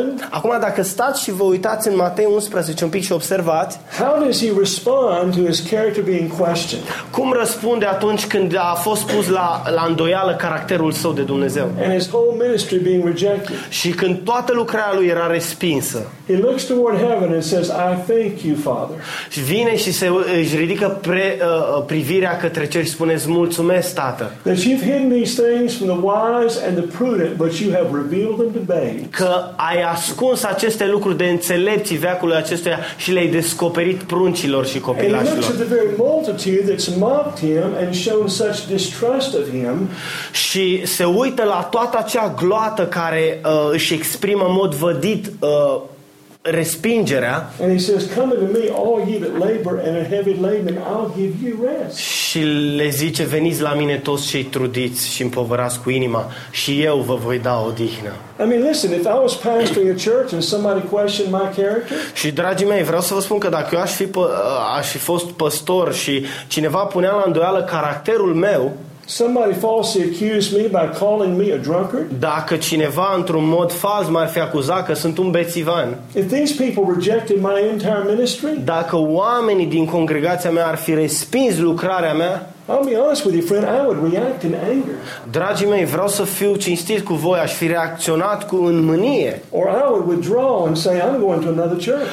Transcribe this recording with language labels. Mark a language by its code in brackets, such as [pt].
[ro] Acum, dacă stați și vă uitați în Matei 11 un pic și observați, [en] how does he respond to his character being questioned? [ro] Cum răspunde atunci când a fost pus la îndoială caracterul său de Dumnezeu? [en] And his whole ministry being rejected. [ro] Și când toată lucrarea lui era respinsă. [en] He looks toward heaven and says, "I thank you, Father." [ro] Și vine și își ridică privirea către cer și spune: "Mulțumesc, Tată." [en] That you've hidden these things from the wise and the prudent, but you have revealed them to babes. [ro] Că ai ascuns aceste lucruri de înțelepții veacului acestuia și le-ai descoperit pruncilor și copilașilor. [en] And he looks at the very multitude that's mocked him and shown such distrust of him. [ro] Și se uită la toată acea gloată care își exprimă în mod vădit respingerea. [en] And he says, "Come unto me, all ye that labor and are heavy laden, and I'll give you rest." [ro] Și le zice: "Veniți la mine toți cei trudiți și împovărați cu inima, și eu vă voi da odihnă." [en] I mean, listen, if I was pastoring a church and somebody questioned my character? [ro] Și dragii mei, vreau să vă spun că dacă eu aș fi fost pastor și cineva punea la îndoială caracterul meu, [en] somebody falsely accused me by calling me a drunkard? [ro] Dacă cineva într-un mod fals m-ar fi acuzat că sunt un bețivan. [en] If these people rejected my entire ministry? [ro] Dacă oamenii din congregația mea ar fi respins lucrarea mea? [en] I'll be honest with you, friend, I would react in anger. [ro] Dragii mei, vreau să fiu cinstit cu voi, aș fi reacționat cu mânie. [en] Or I would withdraw and say I'm going to another church.